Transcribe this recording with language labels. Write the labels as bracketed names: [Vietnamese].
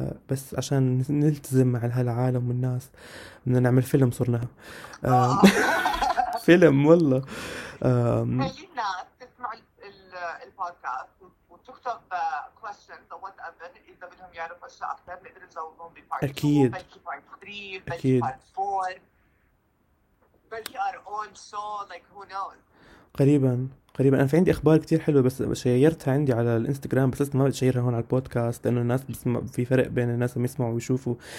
[Arabic] بس عشان نلتزم مع هالعالم والناس بدنا نعمل فيلم صرنا. فيلم والله. خلي الناس تسمع البودكاست وتكتب [English] questions or whatever [Arabic] إذا بدهم يعرفوا أشياء أكثر، نقدر نجاوبهم ب part 2 أكيد بلكي part 3 بلكي أكيد [English] part 4 [Arabic] بلكي [English] our own show like who knows. [Arabic] قريبا قريبا انا في عندي اخبار كتير حلوه بس شيرتها عندي على الانستغرام، بس لسه ما بدي اشيرها هون على البودكاست لانه الناس بسمع، في فرق بين الناس اللي يسمعوا ويشوفوا.